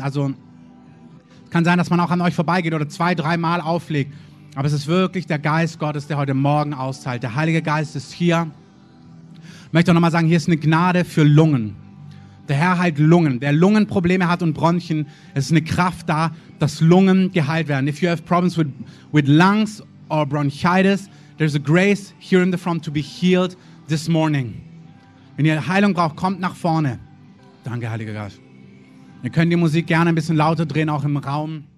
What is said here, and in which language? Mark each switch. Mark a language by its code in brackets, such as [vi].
[de] Also kann sein, dass man auch an euch vorbeigeht oder zwei, dreimal auflegt. Aber es ist wirklich der Geist Gottes, der heute Morgen austeilt. Der Heilige Geist ist hier. Ich möchte auch nochmal sagen, hier ist eine Gnade für Lungen. Der Herr heilt Lungen. Wer Lungenprobleme hat und Bronchien, es ist eine Kraft da, dass Lungen geheilt werden. [en] If you have problems with lungs or bronchitis, there's a grace here in the front to be healed this morning. [de] Wenn ihr Heilung braucht, kommt nach vorne. Danke, Heiliger Geist. Ihr könnt die Musik gerne ein bisschen lauter drehen, auch im Raum.